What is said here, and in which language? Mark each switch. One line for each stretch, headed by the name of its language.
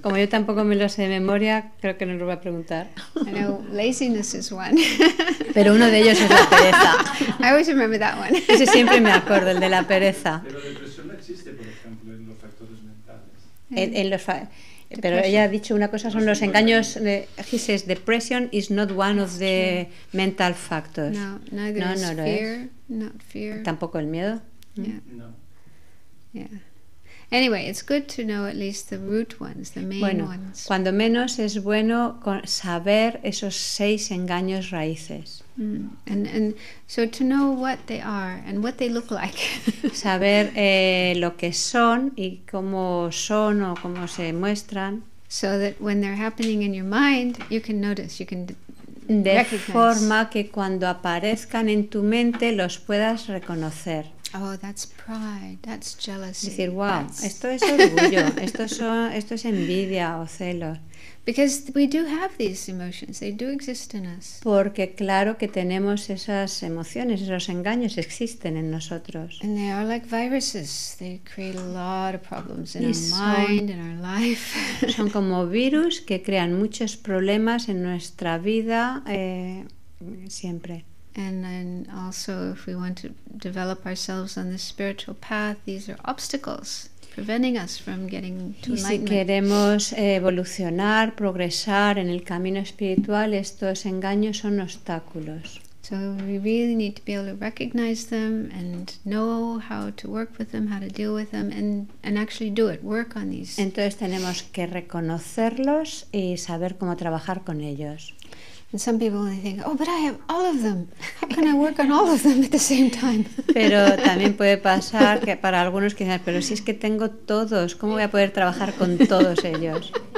Spanish: Como yo tampoco me lo sé de memoria, creo que no lo voy a preguntar.
English: I know laziness is one.
Spanish: Pero uno de ellos es la pereza.
English: I always remember that one.
Spanish: Ese siempre me acuerdo, el de la pereza. Pero la depresión no existe, por ejemplo, en los factores mentales. En los depresión. Pero ella ha dicho una cosa, son los engaños.
English: De, he says depression is not one of the mental factors. No, neither is fear. Not fear.
Spanish: Tampoco el miedo.
English: Yeah. Anyway, it's good to know at least the root ones, the main ones.
Spanish: Cuando menos es bueno saber esos seis engaños raíces.
English: And so to know what they are and what they look like.
Spanish: Saber lo que son y cómo son o cómo se muestran.
English: So that when they're happening in your mind, you can notice, you can
Spanish: de forma que cuando aparezcan en tu mente los puedas reconocer.
English: Oh, that's pride. That's jealousy.
Spanish: Decir, wow, esto es orgullo. Esto es envidia o celos.
English: Because we do have these emotions. They do exist in us.
Spanish: Porque claro que tenemos esas emociones, esos engaños existen en nosotros.
English: And they are like viruses. They create a lot of problems in our mind, in our life.
Spanish: Son como virus que crean muchos problemas en nuestra vida siempre.
English: And then also, if we want to develop ourselves on the spiritual path, these are obstacles preventing us from getting to enlightenment.
Spanish: Si queremos evolucionar, progresar en el camino espiritual, estos engaños son obstáculos.
English: So we really need to be able to recognize them and know how to work with them, how to deal with them, and actually do it, work on these.
Spanish: Entonces tenemos que reconocerlos y saber cómo trabajar con ellos.
English: And some people only think, oh, but I have all of them. How can I work on all of them at the same time?
Spanish: Pero también puede pasar que para algunos quizás, pero si es que tengo todos, ¿cómo voy a poder trabajar con todos ellos?